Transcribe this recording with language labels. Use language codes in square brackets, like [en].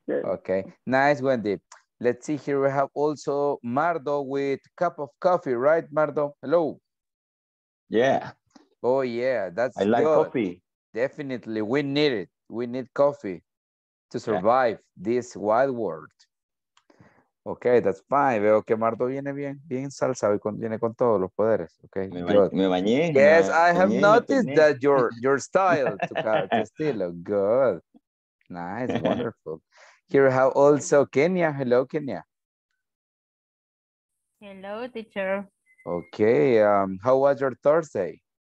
[en] Okay, nice, Wendy. Let's see, here we have also Mardo with cup of coffee, right, Mardo? Hello. Yeah. Oh, yeah, that's good. I like coffee. Definitely, we need it. We need coffee to survive this wild world. Okay, that's fine. [es] Veo que Mardo viene bien, bien salsa, viene con todos los poderes. [en] Okay. [es] Me bañé. [en] Yes, I have noticed that your style to cut your estilo. Good. Nice, wonderful. Here we have also Kenya. Hello, Kenya. Hello, teacher. Okay. How was your Thursday?